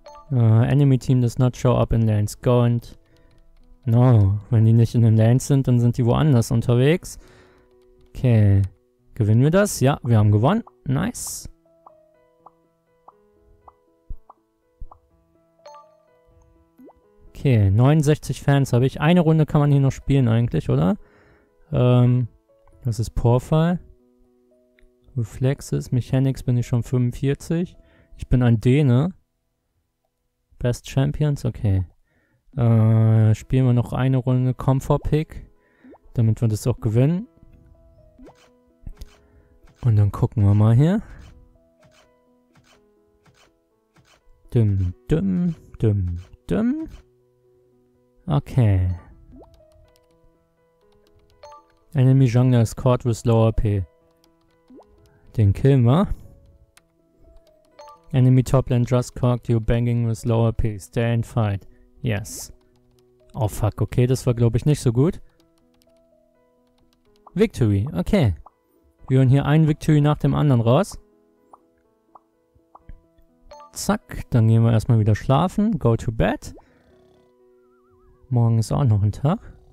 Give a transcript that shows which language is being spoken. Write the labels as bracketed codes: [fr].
[en] Enemy Team does not show up in lanes. Go and... [de] No, wenn die nicht in den Lanes sind, dann sind die woanders unterwegs. Okay. Gewinnen wir das? Ja, wir haben gewonnen. Nice. Okay, 69 Fans habe ich. Eine Runde kann man hier noch spielen eigentlich, oder? Das ist Porfall. Reflexes, Mechanics bin ich schon 45. Ich bin ein Däne. [en] Best Champions, okay. [de] Spielen wir noch eine Runde Comfort Pick, damit wir das auch gewinnen. Und dann gucken wir mal hier. Dum, dum, dum, dum. Okay. [en] Enemy Jungler is caught with low AP. [de] Den killen wir. [en] Enemy Top Lane just caught you banging with low AP. Stay and fight. Yes. [de] Oh fuck, okay, das war glaube ich nicht so gut. Victory, okay. Wir holen hier ein Victory nach dem anderen raus. Zack, dann gehen wir erstmal wieder schlafen. [en] Go to bed. [de] Morgen ist auch noch ein Tag.